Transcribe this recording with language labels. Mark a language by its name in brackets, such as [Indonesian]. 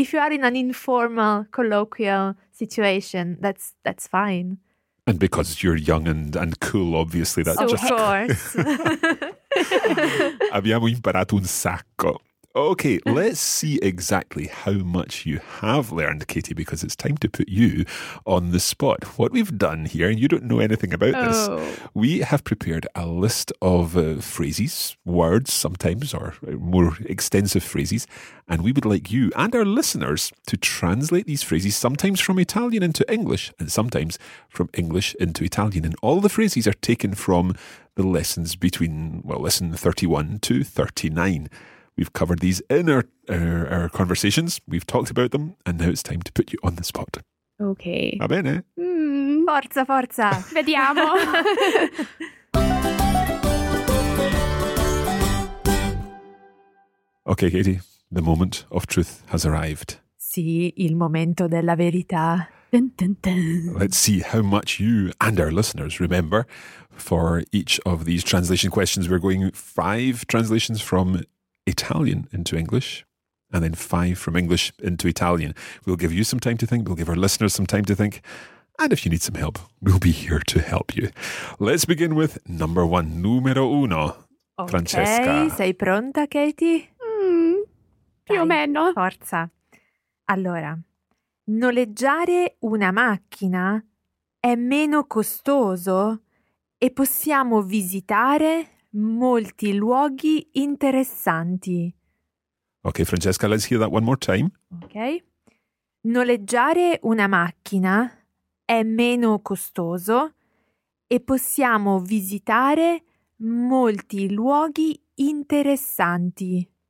[English] If you are in an informal, colloquial situation, that's fine. And because you're young and cool, obviously, that's so just... Of course. [Italian] Abbiamo imparato un sacco. [English] Okay, let's see exactly how much you have learned, Katie, because it's time to put you on the spot. What we've done here, and you don't know anything about this, we have prepared a list of phrases, words sometimes, or more extensive phrases, and we would like you and our listeners to translate these phrases, sometimes from Italian into English, and sometimes from English into Italian. And all the phrases are taken from the lessons between, well, lesson 31 to 39. We've covered these in our conversations. We've talked about them. And now it's time to put you on the spot. Okay. [Italian] Va bene? Forza, forza. Vediamo. [English] Okay, Katie, the moment of truth has arrived. [Italian] Sì, il momento della verità. [English] Let's see how much you and our listeners remember for each of these translation questions. We're going five translations from Italian into English, and then five from English into Italian. We'll give you some time to think. We'll give our listeners some time to think. And if you need some help, we'll be here to help you. Let's begin with number one, [Italian] numero uno, [English] okay, Francesca. [Italian] Sei pronta, Katie? Più o meno. Forza. Allora, noleggiare una macchina è meno costoso e possiamo visitare molti luoghi interessanti. [English] Ok, Francesca, let's hear that one more time. Ok. [Italian] Noleggiare una macchina è meno costoso e possiamo visitare molti luoghi interessanti.